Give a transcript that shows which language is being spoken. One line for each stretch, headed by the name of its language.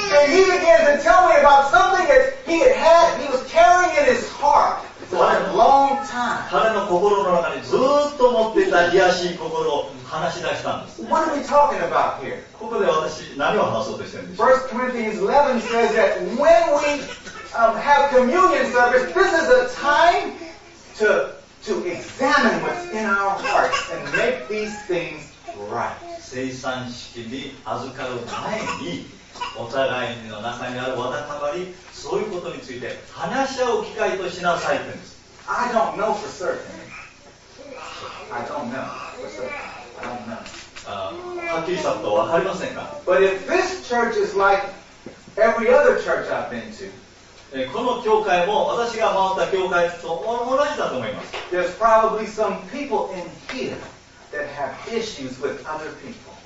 English: And he began to tell me about something that he had had, he was carrying in his heart.
Japanese: 彼の心の中にずっと持っていた癒やしい心を話し出したんです。
English: What are we talking about here?
Japanese: ここで私何を話そうとしてるんですか。
English: First Corinthians 11 says that when we have communion service, this is a time to examine what's in our hearts and make these things right.
Japanese: 聖餐式に預かる前にお互いの中にあるわだかまり、そういうことについて話し合う機会としなさいって言うんです。
English: I don't know for certain. I don't know for certain. I don't know.
Japanese: はっきりしたことわかりませんか?
English: But if this church is like every other church I've been to,
Japanese: この教会も私が回った教会と同じだと思います。
English: There's probably some people in here that have issues with other people.